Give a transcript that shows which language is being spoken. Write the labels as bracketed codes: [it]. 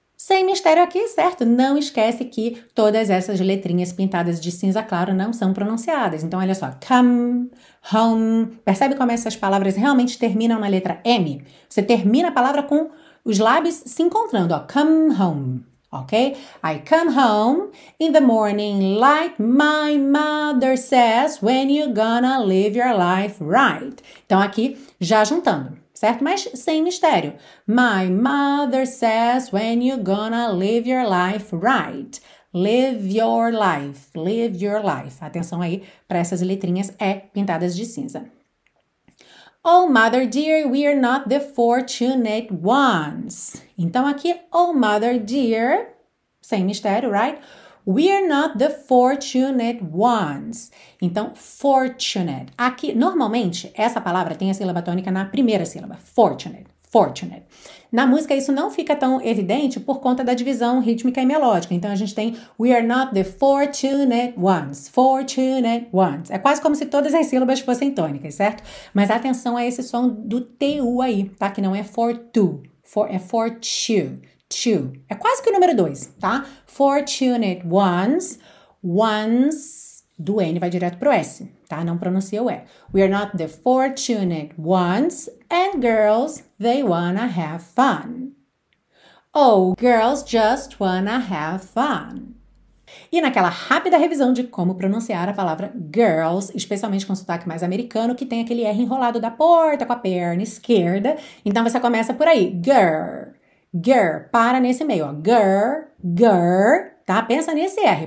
[pt] Sem mistério aqui, certo? Não esquece que todas essas letrinhas pintadas de cinza claro não são pronunciadas. Então, olha só. [en] Come, home. [pt] Percebe como essas palavras realmente terminam na letra M? Você termina a palavra com os lábios se encontrando. [en] Ó. Come home. Ok? I come home in the morning light. My mother says, when you gonna live your life right? [pt] Então, aqui, já juntando. Certo? Mas sem mistério. [en] My mother says, when you gonna live your life right? Live your life. Live your life. [pt] Atenção aí para essas letrinhas E pintadas de cinza. [en] Oh, mother dear, we are not the fortunate ones. [pt] Então aqui, [en] oh, mother dear, [pt] sem mistério, [en] right? We are not the fortunate ones. [pt] Então, fortunate. Aqui, normalmente, essa palavra tem a sílaba tônica na primeira sílaba. Fortunate. Fortunate. Na música, isso não fica tão evidente por conta da divisão rítmica e melódica. Então, a gente tem [en] we are not the fortunate ones. Fortunate ones. [pt] É quase como se todas as sílabas fossem tônicas, certo? Mas atenção a esse som do TU aí, tá? Que não é for tu. For, é for tu. Two. É quase que o número 2, tá? [en] Fortunate ones. Ones. [pt] Do N vai direto pro S, tá? Não pronuncia o E. [en] We are not the fortunate ones. And girls, they wanna have fun. Oh, girls just wanna have fun. [pt] E naquela rápida revisão de como pronunciar a palavra girls, especialmente com sotaque mais americano, que tem aquele R enrolado da porta com a perna esquerda. Então você começa por aí. Girl. Girl, para nesse meio, ó. Girl, girl, tá? Pensa nesse R.